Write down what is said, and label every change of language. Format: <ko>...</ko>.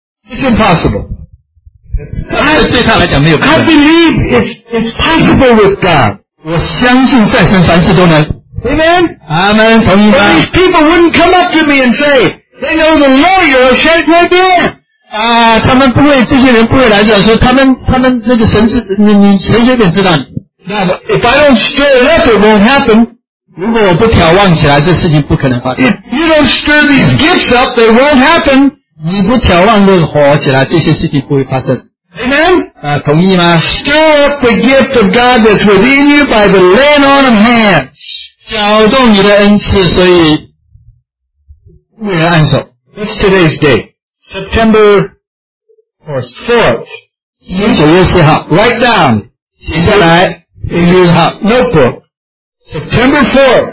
<en>It's impossible.</en> <zh>对他来讲没有可能。</zh> <en>I believe it's possible with God.</en> <zh>我相信在神凡事都能。</zh> <en>Amen.</en> <zh>阿门，同意吗？</zh> <en>But these people wouldn't come up to me and say, they know the lawyer of 陈水扁。</en> <zh>他们不会，这些人不会来讲说他们这个神是你陈水扁知道你。</zh> <en>那 if I don't stir it up, it won't happen.</en> <zh>如果我不挑旺起来，这事情不可能发生。</zh> <en>If you don't stir these gifts up, they won't happen.</en> <zh>你不挑旺这个火起来，这些事情不会发生。</zh> <en>Amen.</en> <zh>同意吗？</zh> <en>Stir up the gift of God that's within you by the laying on of hands.</en> <zh>搅动你的恩赐，所以为人按手。</zh> <en>It's today's day. September 4th.</en> <zh>9月4号</zh> <en>Write down.</en> <zh>写下来。9月4号</zh> <en>Notebook. September 4th.</en>